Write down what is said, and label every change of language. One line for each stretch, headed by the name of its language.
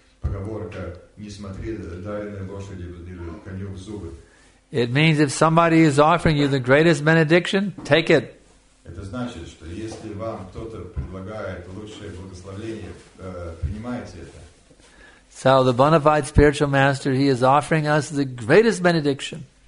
Russian: Поговорка: не смотри дай на лошади или коню в зубы.
English: It means if somebody is offering you the greatest benediction, take it.
Russian: Это значит, что если вам кто-то предлагает лучшее благословение, принимайте это.
English: So the bona fide spiritual master, he is offering us the greatest benediction.